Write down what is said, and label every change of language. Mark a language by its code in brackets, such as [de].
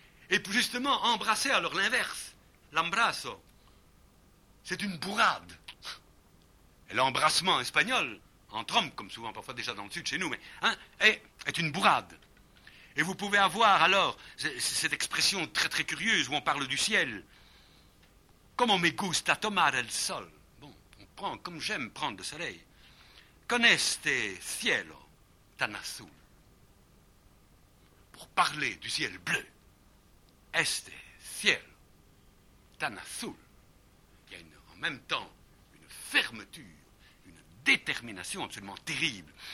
[fr] Et justement, embrasser, alors l'inverse, l'embrasso, c'est une bourrade. Et l'embrassement espagnol, entre hommes, comme souvent parfois déjà dans le sud chez nous, mais, hein, est une bourrade. Et vous pouvez avoir alors cette expression très très curieuse où on parle du ciel. [es] Como me gusta tomar el sol. [fr] Bon, on prend comme j'aime prendre le soleil. [es] Con este cielo tan azul. [fr] Pour parler du ciel bleu. [es] Este cielo tan azul. [fr] Il y a en même temps une fermeture, une détermination absolument terrible.